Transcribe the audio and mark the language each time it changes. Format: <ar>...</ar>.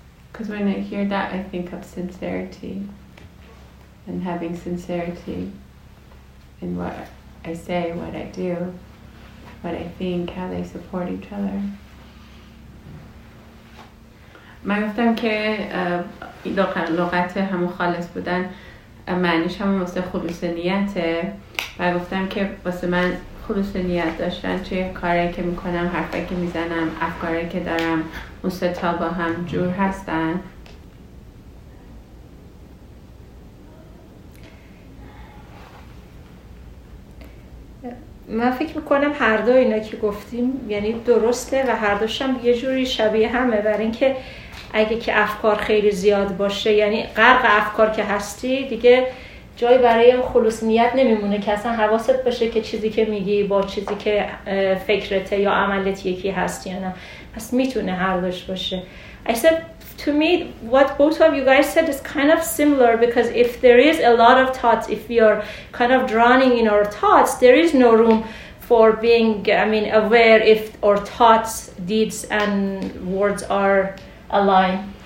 <en>Because when I hear that, I think of sincerity and having sincerity in what I say, what I do, what I think, how they support each other.</en> <fa>من گفتم که لغت همون خالص بودن معنیش همون واسه خلوص نیته. من گفتم که واسه من خلوص نیت داشتن چه کاری که میکنم، حرفی که میزنم، افکاری که دارم، اون سه تا با هم جور هستن. من فکر میکنم هر دو اینا که گفتیم یعنی درسته و هر دوشم یه جوری شبیه همه، برای اینکه اگه که افکار خیلی زیاد باشه، یعنی غرق افکار که هستی، دیگه جایی برای خلوص نیت نمیمونه که اصلا حواست باشه که چیزی که میگی با چیزی که فکرته یا عملت یکی هست یا نه. پس میتونه هر دوش باشه.</fa> <en>I said to me what both of you guys said is kind of similar, because if there is a lot of thoughts, if we are kind of drowning in our thoughts, there is no room for being, I mean, aware if our thoughts, deeds and words are aligned.</en>